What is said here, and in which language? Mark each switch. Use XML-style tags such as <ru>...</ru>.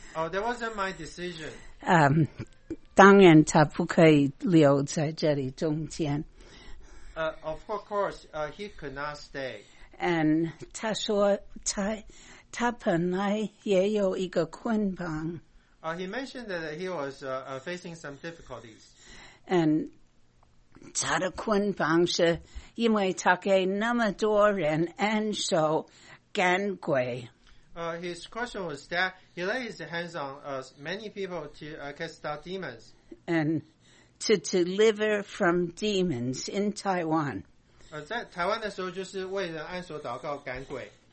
<en>Oh, that wasn't my decision.</en> <zh>当然他不可以留在这里中间。</zh> <en>Of course, he could not stay.</en> <zh>And 他说他 他本来也有一个捆绑。</zh> <en>He mentioned that he was facing some difficulties.</en> <zh>And 他的捆绑是因为他给那么多人按手干跪。</zh> <en>His question was that he laid his hands on many people to cast out demons. And to deliver from demons in Taiwan.</en> <zh>在台湾的时候就是为了按手祷告干跪。</zh>